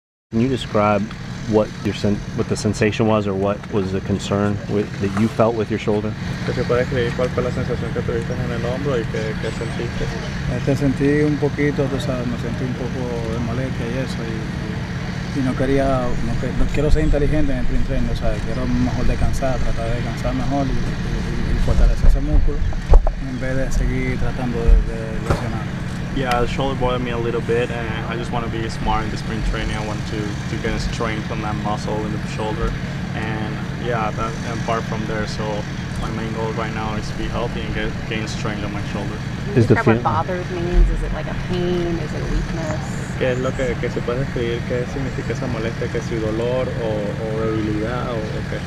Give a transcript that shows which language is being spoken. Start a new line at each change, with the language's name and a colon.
English: Can you describe what your what the sensation was, or what was the concern with, that you felt with your shoulder?
Spanish: ¿Qué se puede describir cuál fue la sensación que tuviste en el hombro y qué sentiste? Sentí un poquito, tú sabes, me sentí un poco de molestia y eso, y no quería, no quiero ser inteligente en el sprint training, ¿sabes? Quiero mejor descansar, tratar de descansar mejor y fortalecer ese músculo en vez de seguir tratando de lesionar.
English: Yeah, the shoulder bothered me a little bit, and I just want to be smart in the sprint training. I want to get a strength on that muscle in the shoulder, and yeah, that, and apart from there, so my main goal right now is to be healthy and gain strength on my shoulder. Is the feeling? What bothers means? Is it like a pain? Is it a weakness?
Spanish: ¿Qué es lo que se puede describir? ¿Qué significa esa molestia? ¿Qué es su dolor o debilidad o qué?